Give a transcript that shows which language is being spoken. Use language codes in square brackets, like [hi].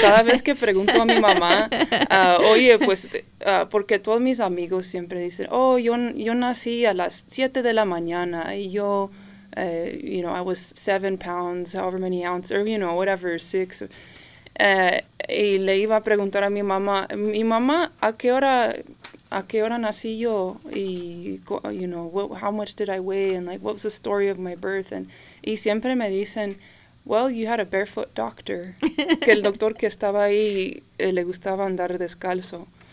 [es] cada vez que pregunto a mi mamá, oye, pues, porque todos mis amigos siempre dicen, oh, yo nací a las 7 de la mañana y yo, [en] you know, I was 7 pounds, however many ounces, or you know, whatever, 6. [es] Y le iba a preguntar a mi mamá, ¿a qué hora nací yo? [en] Y, you know, how much did I weigh? And like, what was the story of my birth? And [es] y siempre me dicen, [en] well, you had a barefoot doctor. [es] Que el doctor que estaba ahí le gustaba andar descalzo.